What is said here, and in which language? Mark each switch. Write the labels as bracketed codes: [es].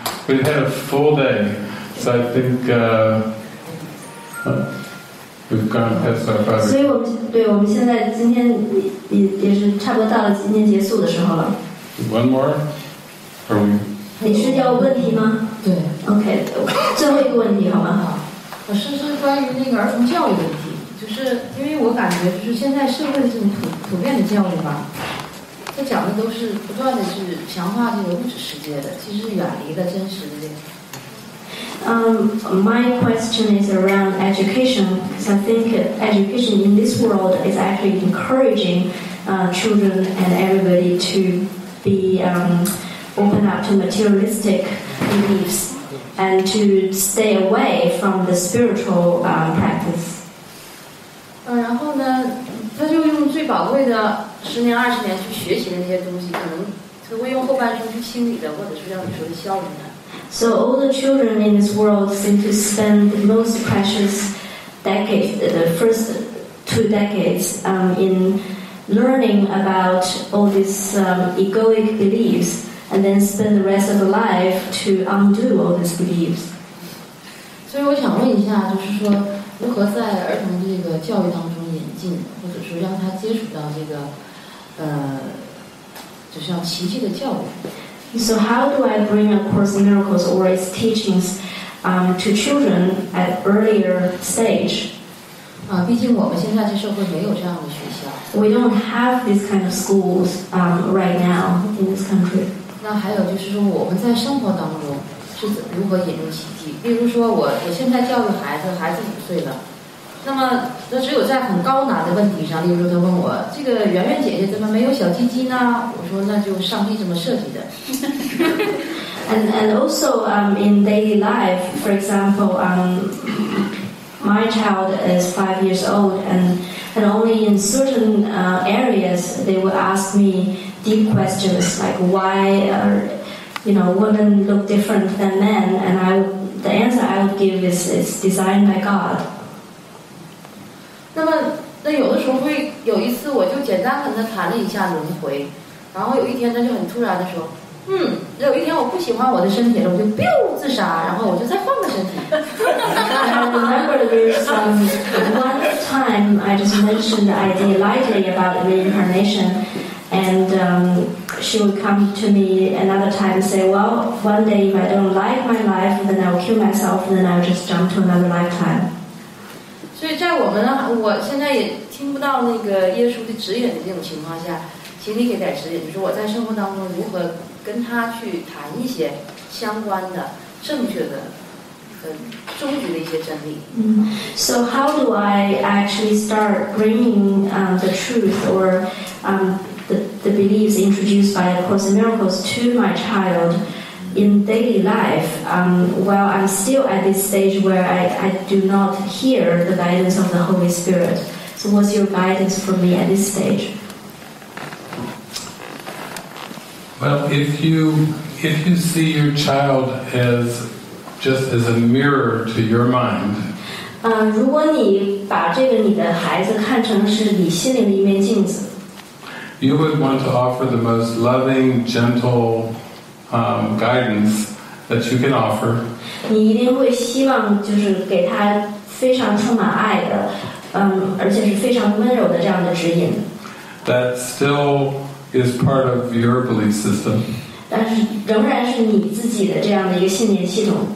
[en] We had a full day, so I think we've gone past our time. [zh] 所以我们对我们现在今天。也是差不多到了今天结束的时候了。 [en] One more? Or we? [zh] 你是要问题吗？对。 OK, 最后一个问题好吗？我是关于那个儿童教育问题，就是因为我感觉就是现在社会这种普遍的教育吧，它讲的都是不断的去强化这个物质世界的，其实远离了真实的这个。 [en] My question is around education, because I think education in this world is actually encouraging children and everybody to be open up to materialistic beliefs and to stay away from the spiritual practice. [zh] 然后呢，他就用最宝贵的十年、二十年去学习的那些东西，可能他会用后半生去清理的，或者是像你说的效率呢。 [en] So all the children in this world seem to spend the most precious decade, the first two decades, in learning about all these egoic beliefs, and then spend the rest of their life to undo all these beliefs. So I want to ask, [zh] 就是说如何在儿童这个教育当中引进，或者说让他接触到这个，就像奇迹的教育。 [en] So how do I bring A Course in Miracles or its teachings to children at earlier stage? [zh] 毕竟我们现在这社会没有这样的学校。 [en] We don't have these kind of schools right now in this country. [zh] 那还有就是说我们在生活当中是如何引入奇迹？比如说我现在教育孩子五岁了，那么他只有在很高难的问题上，例如他问我这个圆圆姐姐怎么没有小鸡鸡呢，我说那就上帝这么设计的。 [en] and also in daily life, for example, my child is 5 years old and only in certain areas they will ask me deep questions like why are, you know, women look different than men, and I the answer I would give is it's designed by God. [zh] 那有的时候会有一次我就简单跟他谈了一下轮回，然后有一天他就很突然的说，有一天我不喜欢我的身体了，我就 biu 自杀，然后我就再换个身体。 [en] I remember there's one time I just mentioned the idea lightly about reincarnation, and she would come to me another time and say, well, one day if I don't like my life, then I'll kill myself, and then I'll just jump to another lifetime. [zh] 所以在我们我现在也听不到那个耶稣的指引的这种情况下，请你给点指引，就是我在生活当中如何跟他去谈一些相关的正确的 [en] So how do I actually start bringing the truth or the beliefs introduced by the Course in Miracles to my child in daily life? Well, I'm still at this stage where I do not hear the guidance of the Holy Spirit. So what's your guidance for me at this stage? Well, if you see your child as just as a mirror to your mind. [zh] 如果你把这个你的孩子看成是你心灵的一面镜子。 [en] You would want to offer the most loving, gentle, guidance that you can offer. [zh] 你一定会希望就是给他非常充满爱的，而且是非常温柔的这样的指引。 [en] That still is part of your belief system. [zh] 但是仍然是你自己的这样的一个信念系统。